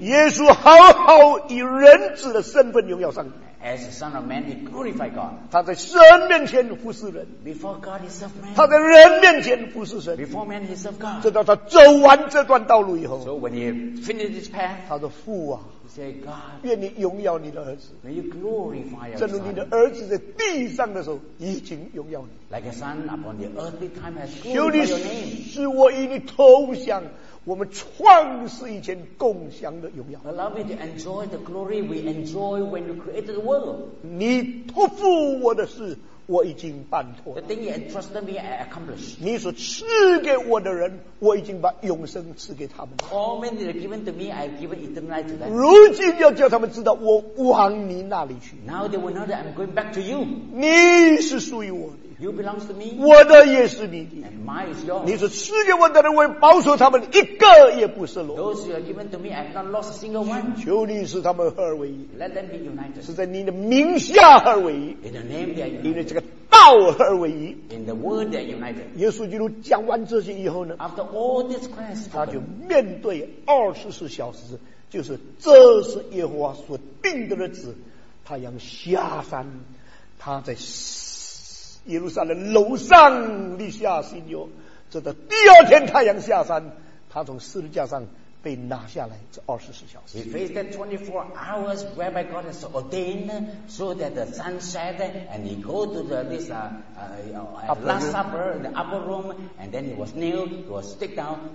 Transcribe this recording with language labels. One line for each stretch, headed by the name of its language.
Chinese: 耶稣好好以人子的身份荣耀上帝。
English: As a son of man, he glorified God.
Chinese: 他在神面前服侍人。
English: Before God, he served man.
Chinese: 他在人面前服侍神。
English: Before man, he served God.
Chinese: 直到他走完这段道路以后。
English: So when he finished his path,
Chinese: 他说父啊。
English: Say God,
Chinese: 愿你荣耀你的儿子。
English: May you glorify your
Chinese: 正如你的儿子在地上的时候已经荣耀你。
English: Like a son upon the earthly time has glorified your name.
Chinese: 求你使我与你同享我们创世以前共享的荣耀。
English: Allow me to enjoy the glory we enjoy when you created the world.
Chinese: 你托付我的事我已经办妥。
English: The thing you entrusted me, I accomplished.
Chinese: 你所赐给我的人，我已经把永生赐给他们。
English: All men that are given to me, I have given eternal life to them.
Chinese: 如今要叫他们知道，我往你那里去。
English: Now they will know that I'm going back to you.
Chinese: 你是属于我的。
English: You belong to me.
Chinese: 我的也是你的。
English: And mine is yours.
Chinese: 你所赐给我的人，我保守他们一个也不是落。
English: Those you have given to me, I have not lost a single one.
Chinese: 求你使他们合而为一。
English: Let them be united.
Chinese: 是在你的名下合而为一。
English: In the name they are united.
Chinese: 这个道合而为一。
English: In the word they are united.
Chinese: 耶稣基督讲完这些以后呢
English: ？After all this Christ,
Chinese: 他就面对二十四小时，就是这是耶和华所定的日子，他要下山，他在耶路撒冷楼上立下新约。直到第二天太阳下山，他从十字架上被拿下来，这二十四小时。
English: He faced that 24 hours whereby God has ordained so that the sun set and he go to the this last supper in the upper room and then he was nailed, he was stick down.